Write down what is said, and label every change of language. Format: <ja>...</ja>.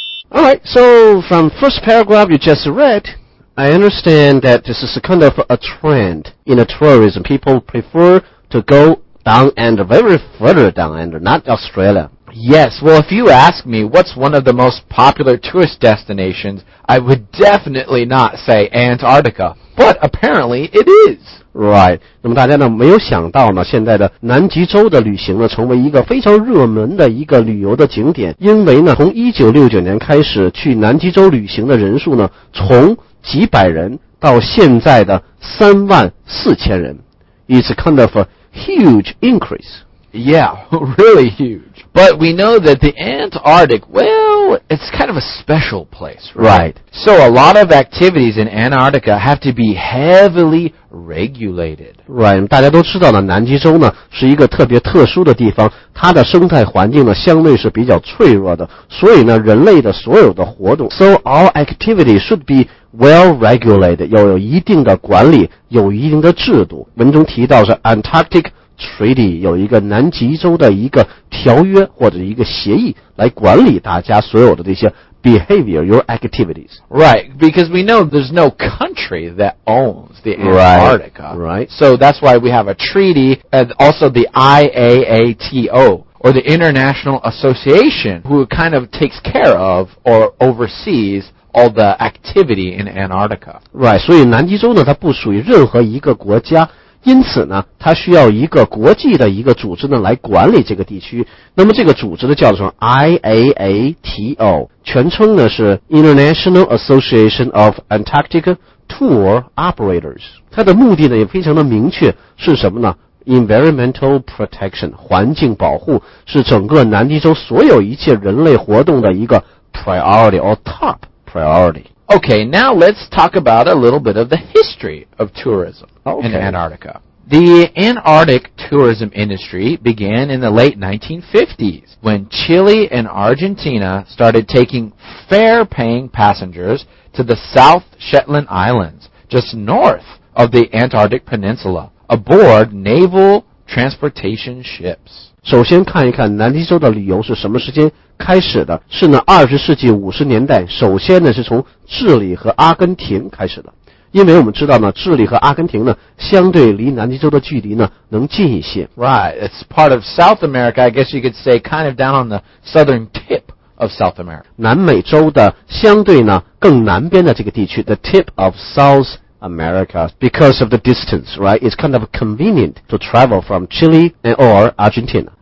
<en>All right, so from first paragraph you just read, I understand that this is a kind of a trend in a tourism. People prefer to go down under, very further down under, not Australia. Yes, well, if you ask me what's one of the most popular tourist destinations, I would definitely not say Antarctica, but apparently it is. Right.</en> <zh>那么大家呢没有想到呢，现在的南极洲的旅行呢成为一个非常热门的一个旅游的景点，因为呢从1969年开始去南极洲旅行的人数呢从几百人到现在的34,000人。</zh> <en>It's kind of a huge increase. Yeah, really huge. But we know that the Antarctic, well, it's kind of a special place, right? Right. So a lot of activities in Antarctica have to be heavily regulated.</en> <zh>Right. 大家都知道呢，南极洲呢是一个特别特殊的地方，它的生态环境呢相对是比较脆弱的，所以呢人类的所有的活动 ,</zh> <en>so all activities should be well regulated,</en> <zh>要有一定的管理，有一定的制度。文中提到是 Antarctic,Treaty 有一个南极洲的一个条约或者一个协议来管理大家所有的这些</zh> <en>behavior, your activities. Right, because we know there's no country that owns the Antarctica. Right, right. So that's why we have a treaty and also the IAATO, or the International Association, who kind of takes care of or oversees all the activity in Antarctica.</en> <zh>Right, 所以南极洲呢它不属于任何一个国家因此呢，它需要一个国际的一个组织呢来管理这个地区。那么这个组织呢叫做 IAATO， 全称呢是 International Association of Antarctic Tour Operators。它的目的呢也非常的明确，是什么呢？</zh> <en>Environmental protection，</en> <zh>环境保护是整个南极洲所有一切人类活动的一个</zh> <en>priority or top priority。 Okay, now let's talk about a little bit of the history of tourism in Antarctica. The Antarctic tourism industry began in the late 1950s when Chile and Argentina started taking fare-paying passengers to the South Shetland Islands just north of the Antarctic Peninsula. Aboard naval transportation ships.</en> <zh>首先看一看南极洲的旅游是什么时间开始的，是呢20世纪50年代，首先呢是从智利和阿根廷开始的。因为我们知道呢，智利和阿根廷呢相对离南极洲的距离呢能近一些。</zh> <en>Right, it's part of South America, I guess you could say kind of down on the southern tip of South America.</en> <zh>南美洲的相对呢更南边的这个地区</zh> <en>,the tip of South AmericaAmerica, because of the distance, right? It's kind of convenient to travel from Chile or Argentina.</en>